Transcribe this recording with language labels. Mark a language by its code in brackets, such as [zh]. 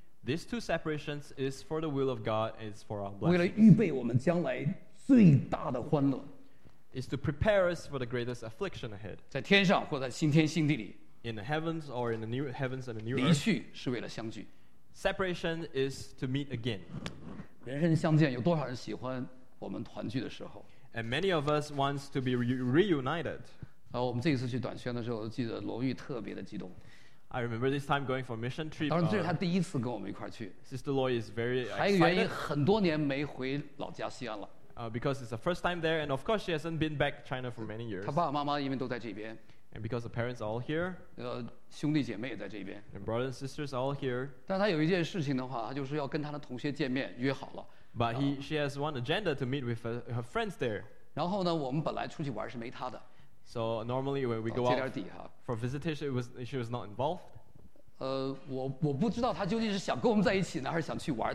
[en] These two separations is for the will of God, is for our blessing. [zh] 为了预备我们将来最大的欢乐。 [en] Is to prepare us for the greatest affliction ahead. [zh] 在天上或在新天新地里。 [en] In the heavens or in the new heavens and the new earth. [zh] 离去是为了相聚。 [en] Separation is to meet again. [zh] 人生相见，有多少人喜欢我们团聚的时候 [en] ？And many of us wants to be reunited. [zh] 我们这一次去短宣的时候，记得罗玉特别的激动。 [en] I remember this time going for mission trip. [zh] 当然，这是他第一次跟我们一块去。 [en] Sister Loy is very excited. [zh] 还有原因，很多年没回老家西安了。 [en] Because it's the first time there, and of course she hasn't been back to China for many years. [zh] 她爸爸妈妈因为都在这边。 [en] And because the parents are all here. [zh] 兄弟姐妹也在这边。 [en] And brothers and sisters are all here. [zh] 但她有一件事情的话，她就是要跟她的同学见面，约好了。 [en] But she has one agenda to meet with her friends there. [zh] 然后呢，我们本来出去玩是没她的。 [en] So normally when we go out for visitation, she was not involved. [zh] 我不知道她究竟是想跟我们在一起呢，还是想去玩。